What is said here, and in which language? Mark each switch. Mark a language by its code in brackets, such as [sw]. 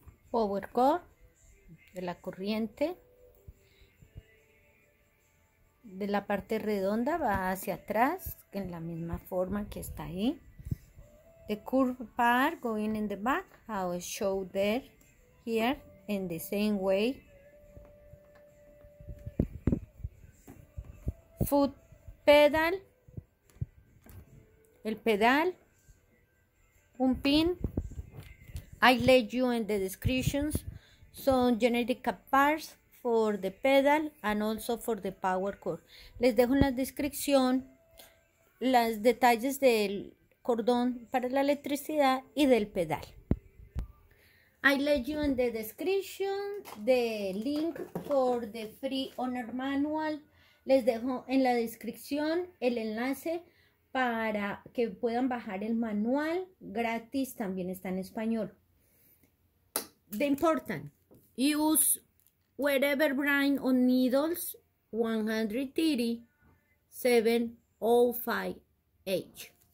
[es] Power cord de la corriente de la parte redonda va hacia atrás en la misma forma que está ahí. [en] The curved part going in the back, how it showed there here in the same way. Foot pedal, [es] el pedal, un pin. [en] I let you in the descriptions some generic parts for the pedal and also for the power cord. [es] Les dejo en la descripción los detalles del cordón para la electricidad y del pedal. [en] I let you in the description the link for the free owner manual. [es] Les dejo en la descripción el enlace para que puedan bajar el manual gratis. También está en español. [en] The important, use whatever brand on needles 130705H.